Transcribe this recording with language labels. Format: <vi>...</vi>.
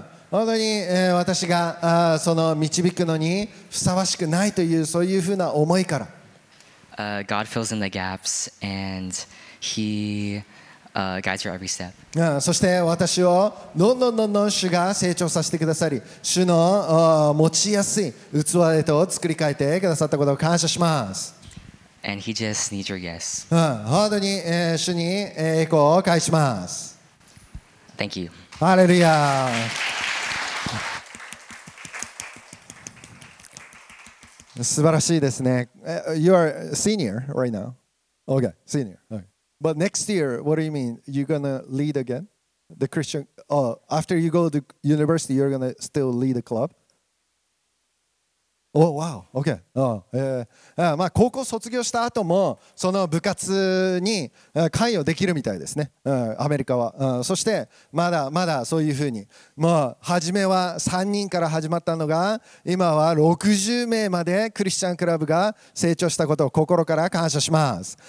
<ja>本当に私がその導くのにふさわしくないというそういうふうな思いから、</ja> <en>God fills in the gaps and He guides your every step.</en> <ja>そして私をどんどんどんどん主が成長させてくださり、主の持ちやすい器へと作り変えてくださったことを感謝します。</ja> <en>And He just needs your yes.</en> <ja>本当に主に栄光を返します。</ja> <en>Thank you.</en> <ja>ハレルヤ。素晴らしいですね。</ja> <en>You are senior right now. Okay, senior. Okay. But next year, what do you mean? You're gonna lead again? The Christian... after you go to university, you're gonna still lead a club? Oh, wow. Okay.</en> <ja>まあ、高校卒業した後もその部活に関与できるみたいですね。アメリカは。そしてまだまだそういうふうに。もう初めは3人から始まったのが、今は60名までクリスチャンクラブが成長したことを心から感謝します。</ja>